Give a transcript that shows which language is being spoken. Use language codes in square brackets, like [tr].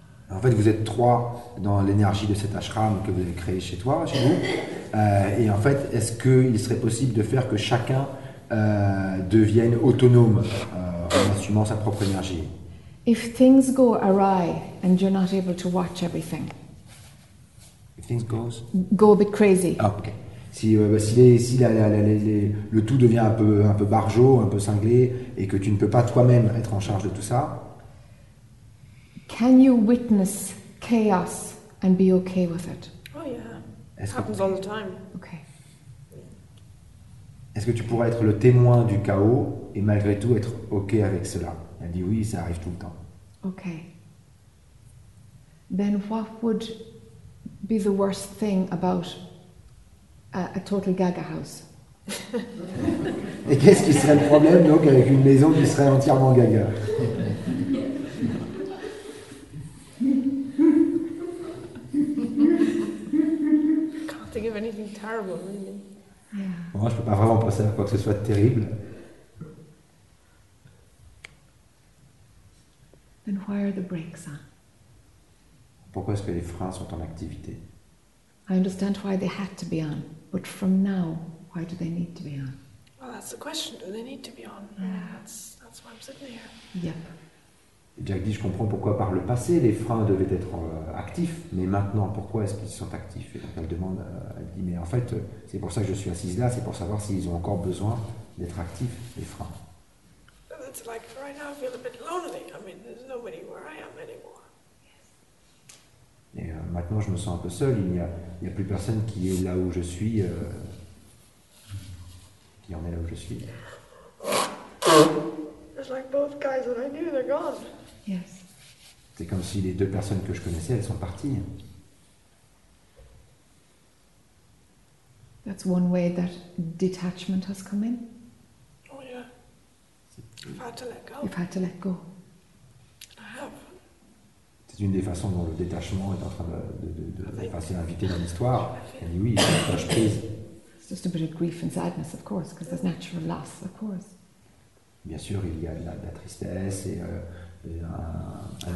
[fr] En fait, vous êtes trois dans l'énergie de cet ashram que vous avez créé chez vous. Et en fait, est-ce qu'il serait possible de faire que chacun devienne autonome en assumant sa propre énergie? [en] If things go awry and you're not able to watch everything. If things goes? Go a bit crazy. Oh, okay. [fr] Si le tout devient un peu barjo, un peu cinglé, et que tu ne peux pas toi-même être en charge de tout ça. [en] Can you witness chaos and be okay with it? Oh yeah, it happens all the time. Okay. [fr] Est-ce que tu pourrais être le témoin du chaos et malgré tout être okay avec cela? Elle dit oui, ça arrive tout le temps. [en] Okay. Then what would be the worst thing about a total Gaga house. [fr] Et qu'est-ce qui serait le problème donc avec une maison qui serait entièrement Gaga? [en] I can't think of anything terrible, really. Yeah. [fr] Bon, moi, je peux pas vraiment penser à quoi que ce soit de terrible. [en] Then why are the brakes on? [fr] Pourquoi est-ce que les freins sont en activité? [en] I understand why they had to be on. But from now, why do they need to be on? Well, that's the question. Do they need to be on? Yeah. That's why I'm sitting here. Yep. [fr] Jack dit, je comprends pourquoi par le passé les freins devaient être actifs, mais maintenant pourquoi est-ce qu'ils sont actifs? Et donc elle demande, elle dit, mais en fait, c'est pour ça que je suis assise là, c'est pour savoir s'ils ont encore besoin d'être actifs, les freins. [en] It's like right now I feel a bit lonely. I mean, there's nobody where I am anymore. [fr] Et maintenant je me sens un peu seul. Il n'y a plus personne qui est là où je suis. Qui en est là où je suis. [en] It's like both guys that I knew, they're gone. Yes. [fr] C'est comme si les deux personnes que je connaissais, elles sont parties. [en] That's one way that detachment has come in. You've had to let go. You've had to let go. I have. [fr] C'est une des façons dont le détachement est en train de passer l'invité dans l'histoire. Elle dit oui, ça lâche prise. [en] It's just a bit of grief and sadness, of course, because there's natural loss, of course. [fr] Bien sûr, il y a de la tristesse et un